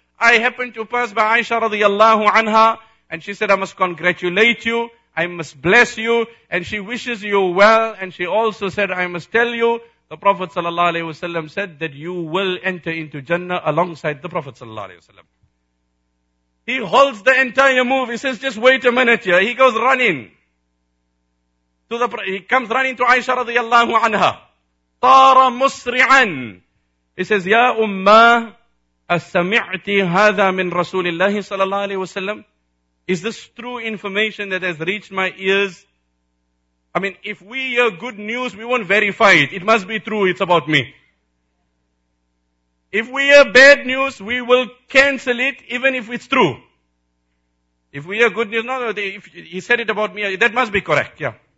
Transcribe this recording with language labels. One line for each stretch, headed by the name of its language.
English: I happened to pass by Aisha radiallahu anha, and she said, I must congratulate you, I must bless you, and she wishes you well, and she also said, I must tell you, the Prophet sallallahu alayhi wasallam said that you will enter into Jannah alongside the Prophet sallallahu alayhi wasallam. He holds the entire move, he says, just wait a minute here, he goes running. He comes running to Aisha radiallahu anha.
Arabic: Tara musri'an.
English: He says,
Arabic: Ya Ummah, أَسَّمِعْتِ هَذَا مِنْ رَسُولِ اللَّهِ صَلَى اللَّهِ عَلَيْهِ وَسَلَّمُ.
English: Is this true information that has reached my ears? I mean, if we hear good news, we won't verify it. It must be true, it's about me. If we hear bad news, we will cancel it, even if it's true. If we hear good news, no, if he said it about me, that must be correct, yeah.